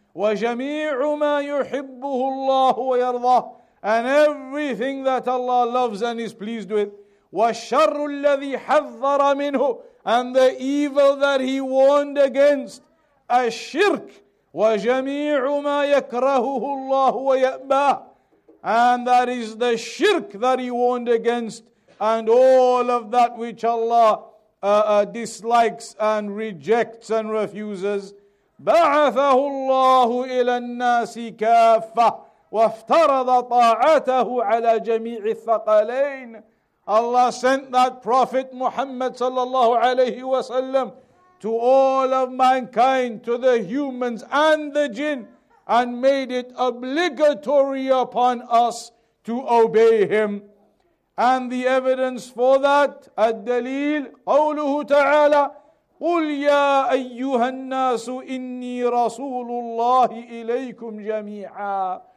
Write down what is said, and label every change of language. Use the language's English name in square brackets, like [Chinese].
[Arabic] وجميع ما يحبه الله ويرضاه. [English] And everything that Allah loves and is pleased with. [Arabic] والشر الذي حذر منه. [English] And the evil that he warned against, الشرك. [Arabic] وجميع ما يكرهه الله ويأباه. [English] And that is the shirk that he warned against, and all of that which Allah dislikes and rejects and refuses. [Arabic] بعثه الله إلى الناس كافة وافترض طاعته على جميع الثقلين. [English] Allah sent that Prophet Muhammad sallallahu alayhi wasallam to all of mankind, to the humans and the jinn, and made it obligatory upon us to obey him. And the evidence for that, [Arabic] الدليل, قوله تعالى, قُلْ يَا أَيُّهَا النَّاسُ إِنِّي رَسُولُ اللَّهِ إِلَيْكُمْ جَمِيعًا.